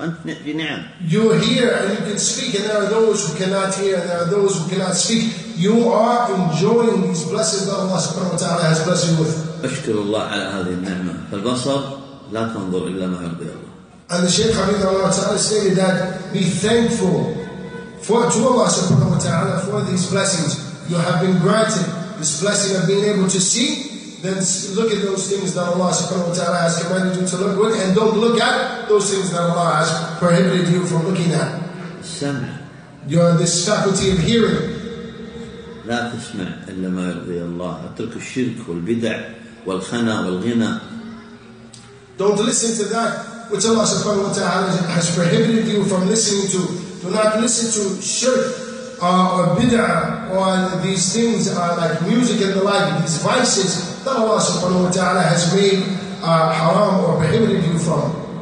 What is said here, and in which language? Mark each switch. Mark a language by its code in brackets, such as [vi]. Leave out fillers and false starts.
[ar] أنت في نعم. [en] You hear and you can speak, and there are those who cannot hear, and there are those who cannot speak. You are enjoying these blessings that Allah subhanahu wa ta'ala has blessed you with. [ar] أشكر الله على هذه النعمة. فالبصر لا تنظر إلا ما يرضي الله. [en] And the Shaykh Hafidh Allah ta'ala stated that be thankful to Allah subhanahu wa ta'ala for these blessings. You have been granted this blessing of being able to see. Then look at those things that Allah subhanahu wa ta'ala has commanded you to look with, and don't look at those things that Allah has prohibited you from looking at. [ar] سمع. [en] You are this faculty of hearing. [ar] لا تسمع إلا ما يرضي الله. اترك الشرك والبدع والخنا والغنى. [en] Don't listen to that which Allah subhanahu wa ta'ala has prohibited you from listening to. Do not listen to shirk or bid'ah, or these things are like music and the like, these vices that Allah subhanahu wa ta'ala has made haram or prohibited you from.